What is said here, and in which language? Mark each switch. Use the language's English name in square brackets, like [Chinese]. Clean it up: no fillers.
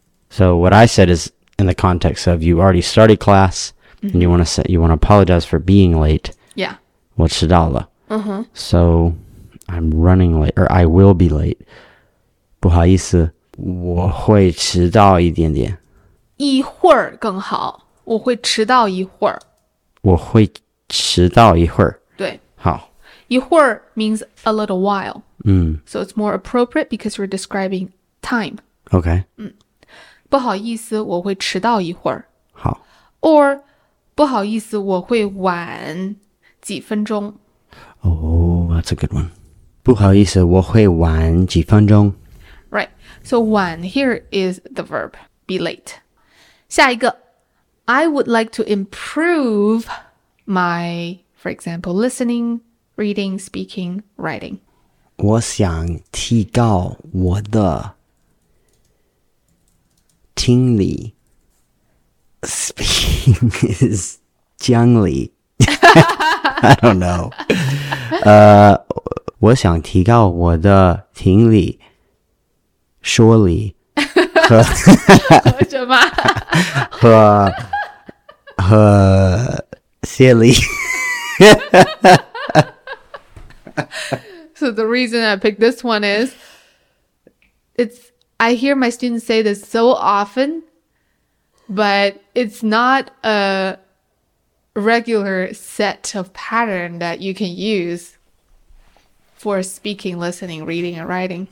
[English] So what I said is in the context of you already started class, mm-hmm. and you want to apologize for being late. Yeah. [Chinese] 我迟到了. Uh-huh. [English] So I'm running late, or I will be late. [Chinese] 不好意思,我会迟到一点点. 一会儿更好,我会迟到一会儿. 我会迟到一会儿. 对。好. [English] 一会儿 means a little while. So it's more appropriate because we're describing time. Okay. [Chinese] 不好意思,我会迟到一会儿. 好. [English] Or, [Chinese] 不好意思,我会晚几分钟. [English] Oh, that's a good one. [Chinese] 不好意思,我会晚几分钟. [English] Right. So, 晚 here is the verb, be late. [Chinese] 下一个, [English] I would like to improve my, for example, listening, reading, speaking, writing. [Chinese] 我想提高我的听力. [English] Speaking is 讲力.I don't know. [Chinese] 我想提高我的听力, 说力, 和写力. [English] So the reason I picked this one is, I hear my students say this so often, but it's not a regular set of pattern that you can use for speaking, listening, reading, and writing.